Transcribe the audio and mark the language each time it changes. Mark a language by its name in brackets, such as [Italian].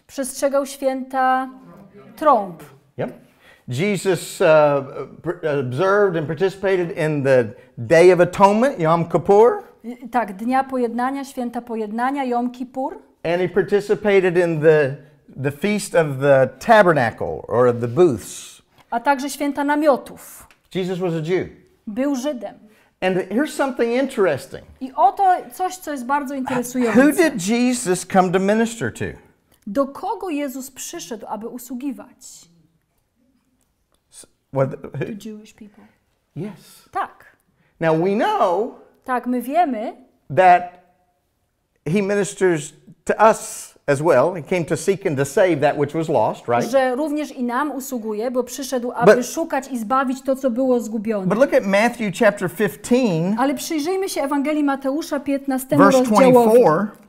[Polish] Przestrzegał święta trąb. [English] Yep. Jesus observed and participated in the Day of Atonement, Yom Kippur. [Polish] Tak, Dnia Pojednania, Święta Pojednania, Yom Kippur. [English] And he participated in the Feast of the Tabernacle, or of the Booths. [Polish] A także Święta Namiotów. [English] Jesus was a Jew. [Polish] Był Żydem. [English] And here's something interesting. [Polish] I oto coś, co jest bardzo interesujące. [English] Who did Jesus come to minister to? [Polish] Do kogo Jezus przyszedł, aby usługiwać? [English] To Jewish people. Yes. [Polish] Tak. [English] Now we know. [Polish] Tak, my wiemy. [English] That he ministers to us as well. He came to seek and to save that which was lost, right? [Polish] Że również i nam usługuje, bo przyszedł, aby szukać i zbawić to, co było zgubione. [English] But look at Matthew chapter 15. [Polish] Ale przyjrzyjmy się Ewangelii Mateusza 15, [English] verse 24.